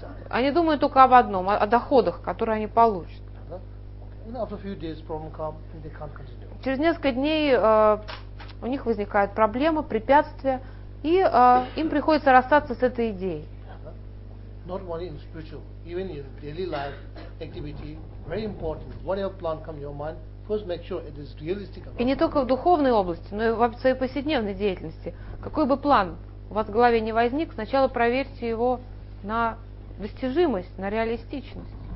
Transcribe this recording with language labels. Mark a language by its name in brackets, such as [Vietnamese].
[Russian] Они думают только об одном, о доходах, которые они получат. [English] After a few days, problem come, and they can't continue. [Russian] Через несколько дней у них возникают проблемы, препятствия, и им приходится расстаться с этой идеей. [English] Not only in spiritual, even in daily life activity, very important. Whatever plan comes your mind, first make sure it is realistic. [Russian] И не только в духовной области, но и в своей повседневной деятельности. Какой бы план у вас в голове не возник, сначала проверьте его на достижимость, на реалистичность.